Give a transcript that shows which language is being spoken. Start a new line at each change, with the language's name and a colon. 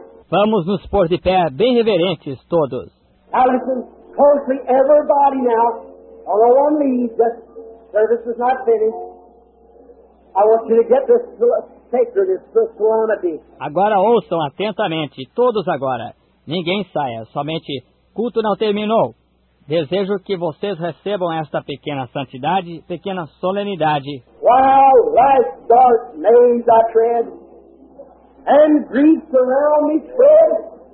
Portuguese: Vamos nos pôr de pé, bem reverentes todos.
English: Now listen closely, everybody now, although on me, just service is not finished. I want you to get this sacred, this solemnity.
Portuguese: Agora ouçam atentamente, todos agora. Ninguém saia, somente culto não terminou. Desejo que vocês recebam esta pequena santidade, pequena solenidade.
English: While life's dark maze I tread, and grief around me spread,